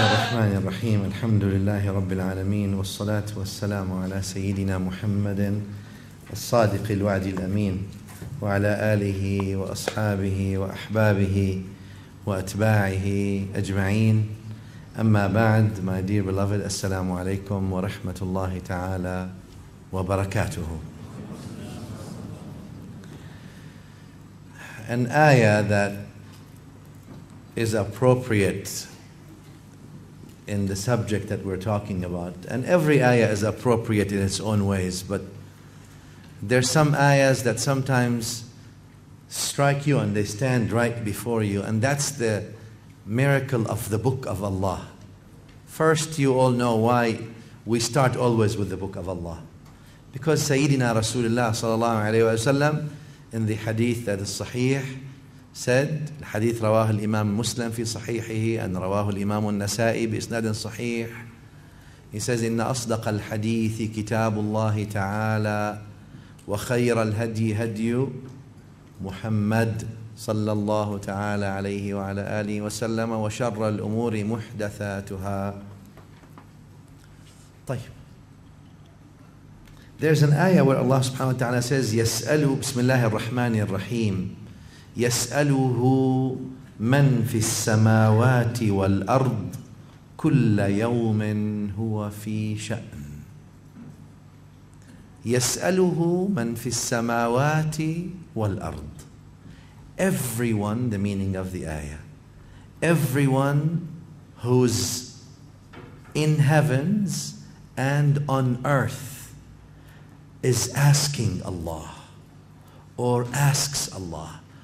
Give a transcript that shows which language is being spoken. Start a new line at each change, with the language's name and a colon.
Arabic: الرحمن الرحيم الحمد لله رب العالمين والصلاة والسلام على سيدنا محمد الصادق الوعد الأمين وعلى آله وأصحابه وأحبابه وأتباعه أجمعين أما بعد
English: my dear beloved
Arabic: السلام عليكم ورحمة الله تعالى وبركاته.
English: An ayah that is appropriate in the subject that we're talking about. And every ayah is appropriate in its own ways, but there's some ayahs that sometimes strike you and they stand right before you, and that's the miracle of the Book of Allah. First, you all know why we start always with the Book of Allah. Because Sayyidina Rasulullah sallallahu alayhi wa sallam, in the hadith that is sahih, said,
Arabic: الحديث رواه الإمام مسلم في صحيحه أن رواه الإمام النسائي بإسناد صحيح.
English: He says,
Arabic: إن أصدق الحديث كتاب الله تعالى وخير الهدي هدي محمد صلى الله تعالى عليه وعلى آله وسلم وشر الأمور محدثاتها. طيب.
English: There's an ayah where Allah subhanahu wa ta'ala says,
Arabic: يسأل بسم الله الرحمن الرحيم يسأله من في السماوات والأرض
English: كل يوم هو في شأن يسأله من في السماوات والأرض. Everyone, the meaning of the ayah, everyone who's in heavens and on earth is asking Allah or asks Allah.